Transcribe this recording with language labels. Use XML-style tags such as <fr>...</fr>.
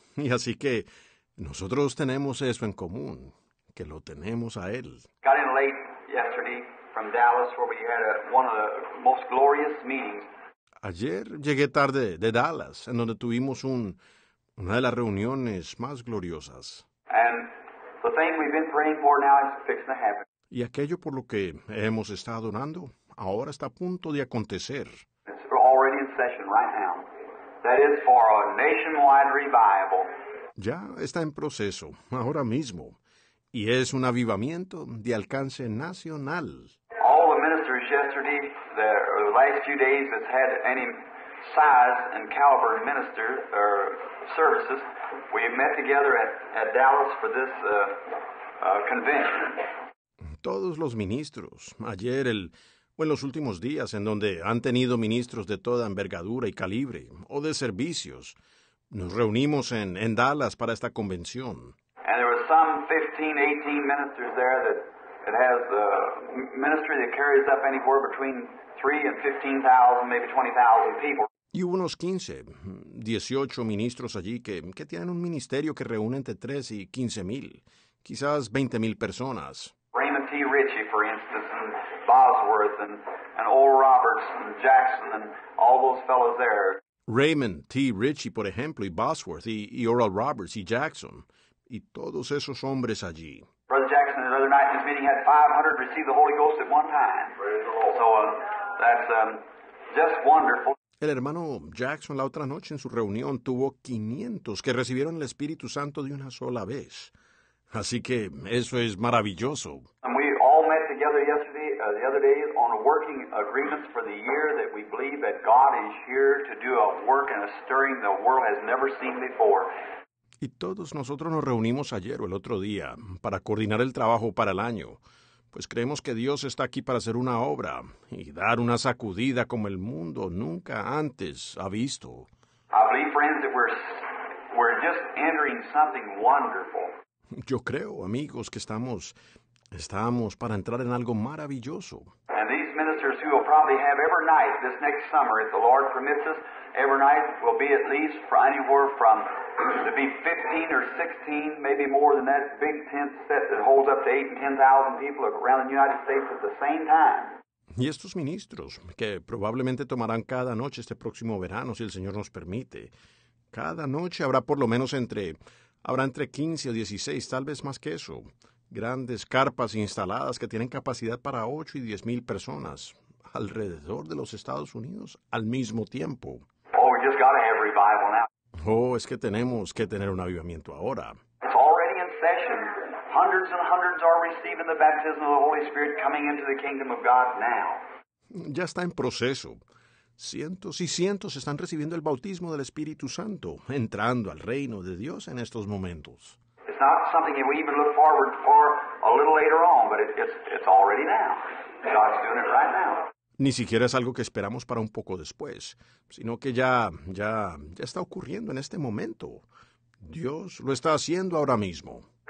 <es>Y así que nosotros tenemos eso en común, que lo tenemos a Él.</es> <en>Got in late. From Dallas, where we had one of the most glorious meetings.</en> <es>Ayer llegué tarde de Dallas, en donde tuvimos una de las reuniones más gloriosas.</es> <en>And the thing we've been praying for now is fixing to happen.</en> <es>Y aquello por lo que hemos estado orando, ahora está a punto de acontecer.</es> <en>It's already in session right now. That is for a nationwide revival.</en> <es>Ya está en proceso, ahora mismo. Y es un avivamiento de alcance nacional.</es> <en>All the ministers yesterday, the last few days, has had any size and caliber minister or services. We met together at Dallas for this convention.</en> <es>Todos los ministros, ayer o en los últimos días, en donde han tenido ministros de toda envergadura y calibre, o de servicios, nos reunimos en Dallas para esta convención.</es> <en>And there were some 15-18 ministers there that has a ministry that carries up anywhere between 3,000 and 15,000, maybe 20,000 people.</en> <es>Y hubo unos 15-18 ministros allí que tienen un ministerio que reúne entre 3,000 and 15,000, quizás 20,000 personas.</es> <en>Raymond T. Ritchie, for instance, and Bosworth, and Oral Roberts, and Jackson, and all those fellows there.</en> <es>Raymond T. Ritchie, por ejemplo, y Bosworth, y Oral Roberts, y Jackson. Y todos esos hombres allí.</es> <en>Brother Jackson, the other night in his meeting, had 500 receive the Holy Ghost at one time. So that's just wonderful.</en> <es>El hermano Jackson la otra noche en su reunión tuvo 500 que recibieron el Espíritu Santo de una sola vez. Así que eso es maravilloso.</es> <en>And we all met together yesterday, the other day, on a working agreement for the year that we believe that God is here to do a work and a stirring the world has never seen before.</en> <es>Y todos nosotros nos reunimos ayer o el otro día para coordinar el trabajo para el año, pues creemos que Dios está aquí para hacer una obra y dar una sacudida como el mundo nunca antes ha visto.</es> <en>I believe, friends, that we're just entering something wonderful.</en> <es>Yo creo, amigos, que estamos para entrar en algo maravilloso.</es> <en>And these ministers who will probably have every night this next summer, if the Lord permits us, every night will be at least for anywhere from to be 15 or 16, maybe more than that, big tent set that holds up to 8,000 and 10,000 people around the United States at the same time.</en> <es>Y estos ministros, que probablemente tomarán cada noche este próximo verano, si el Señor nos permite, cada noche habrá por lo menos entre 15 o 16, tal vez más que eso, grandes carpas instaladas que tienen capacidad para 8,000 and 10,000 personas alrededor de los Estados Unidos al mismo tiempo.</es> <en>Oh, we just got to have revival now.</en> <es>Oh, es que tenemos que tener un avivamiento ahora.</es> <en>It's already in session. Hundreds and hundreds are receiving the baptism of the Holy Spirit coming into the kingdom of God now.</en> <es>Ya está en proceso. Cientos y cientos están recibiendo el bautismo del Espíritu Santo, entrando al reino de Dios en estos momentos.</es> <en>It's not something we even look forward for a little later on, but it's already now. God's doing it right now.</en> <es>Ni siquiera es algo que esperamos para un poco después, sino que ya está ocurriendo en este momento. Dios lo está haciendo ahora mismo.</es>